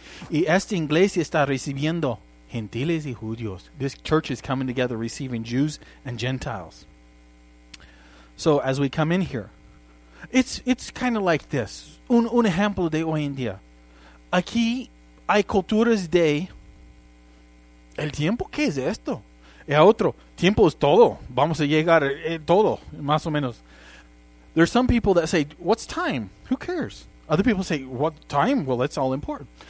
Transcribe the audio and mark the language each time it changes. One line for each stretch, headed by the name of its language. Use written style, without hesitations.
Spanish: Y esta iglesia está recibiendo gentiles y judíos.
English: This church is coming together, receiving Jews and Gentiles. So as we come in here, it's kind of like this.
Spanish: Un ejemplo de hoy en día. Aquí hay culturas de el tiempo, ¿qué es esto? Y a otro, tiempo es todo. Vamos a llegar todo, más o menos.
English: There's some people that say, what's time? Who cares? Other people say, what time? Well, that's all important.